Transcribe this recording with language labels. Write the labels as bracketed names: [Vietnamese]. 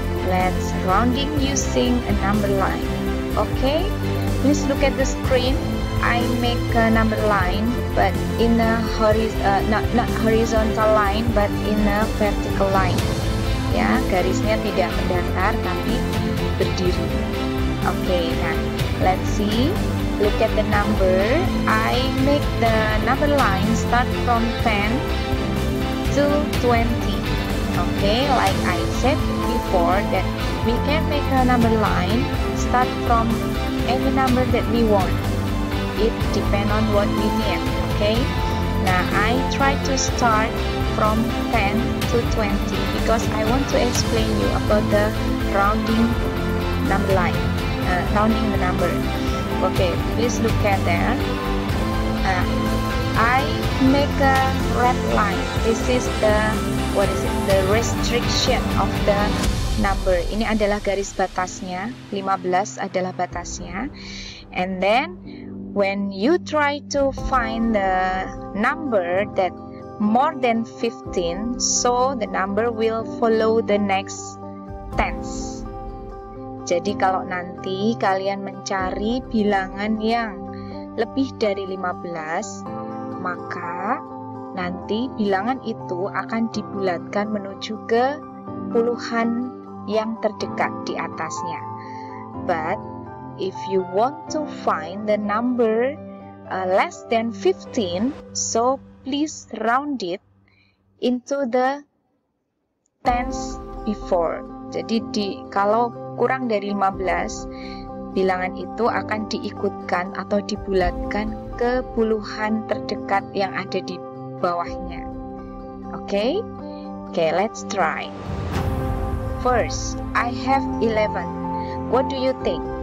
[English] Let's rounding using a number line. Okay, please look at the screen. I make a number line, but in a not horizontal line, but in a vertical line. [Indonesian] Ya, garisnya tidak mendatar, tapi berdiri. [English] Okay, nah, let's see. Look at the number. I make the number line start from 10 to 20. Okay, like I said before, that we can make a number line start from any number that we want. It depends on what we need, okay? Now, I try to start from 10 to 20 because I want to explain you about the rounding number line, rounding the number. Okay, please look at there. I make a red line. This is the, what is it? The restriction of the number. [Indonesian] Ini adalah garis batasnya. 15 adalah batasnya. [English] And then, when you try to find the number that more than 15, so the number will follow the next tens. [Indonesian] Jadi kalau nanti kalian mencari bilangan yang lebih dari 15, maka nanti bilangan itu akan dibulatkan menuju ke puluhan yang terdekat di atasnya. [English] But if you want to find the number less than 15, so please round it into the tens before. [Indonesian] Jadi di kalau kurang dari 15, bilangan itu akan diikutkan atau dibulatkan ke puluhan terdekat yang ada di bawahnya. [English] Okay? Okay, let's try. First, I have 11. What do you think?